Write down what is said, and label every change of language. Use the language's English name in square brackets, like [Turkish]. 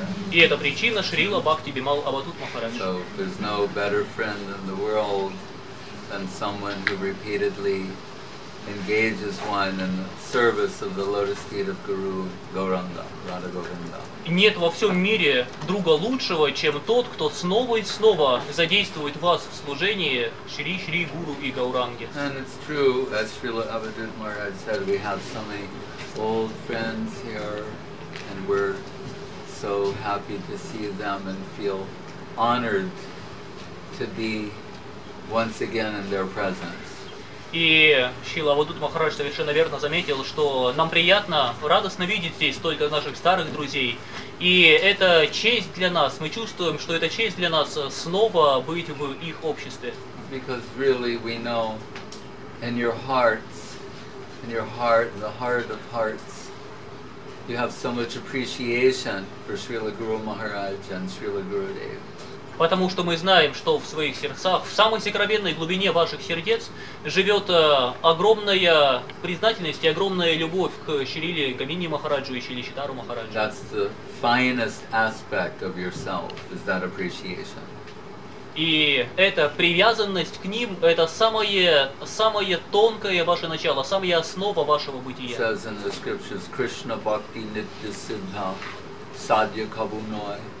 [Russian] И эта причина Шрила Бхакти Бимал Абхадут Махарадж. [English] And someone who repeatedly engages one in the service of the lotus feet of Guru Gauranga, Radha Govinda. [Russian] Нет во всем мире друга лучшего, чем тот, кто снова и снова задействует вас в служении Шри Шри Гуру и Гауранге. [English] And it's true, as Srila Abhidhut Maharaj said, we have so many old friends here, and we're so happy to see them and feel honored to be once again in their presence. [Russian] И Шрила Абхадут Махарадж совершенно верно заметил, что нам приятно, радостно видеть здесь столько наших старых друзей. И это честь для нас. Мы чувствуем, что это честь для нас снова быть в их обществе. [English] Because really we know in your hearts, in your heart, in the heart of hearts, you have so much appreciation for Srila Guru Maharaj and Srila Gurudev. [Russian] Потому что мы знаем, что в своих сердцах, в самой сокровенной глубине ваших сердец живет огромная признательность и огромная любовь к Шриле Говинде Махараджу и Шриле Читару Махараджу. [English] That's the finest aspect of yourself, is that appreciation. [Russian] И эта привязанность к ним, это самое, самое тонкое ваше начало, самая основа вашего бытия. [English] It says in the scriptures, Krishna Bhakti Nitya Siddha Sadhya Kabunoi.